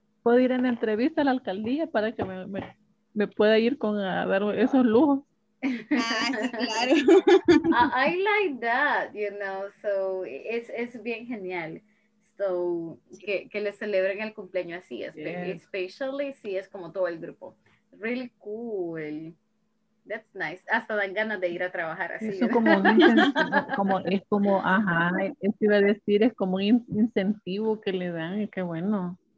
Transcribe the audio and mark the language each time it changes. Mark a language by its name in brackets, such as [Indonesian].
[Spanish] Puedo ir en entrevista a la alcaldía para que me pueda ir con a dar esos lujos. Ah, claro. [English] I like that, you know, so it's [Spanish] bien genial. So que le celebren el cumpleaños así, [English] especially yeah. [Spanish] Si es como todo el grupo. [English] Really cool. That's nice. [Spanish] Hasta dan ganas de ir a trabajar así. Eso, ¿no? Como un incentivo, eso iba a decir, es como un incentivo que le dan, y qué bueno.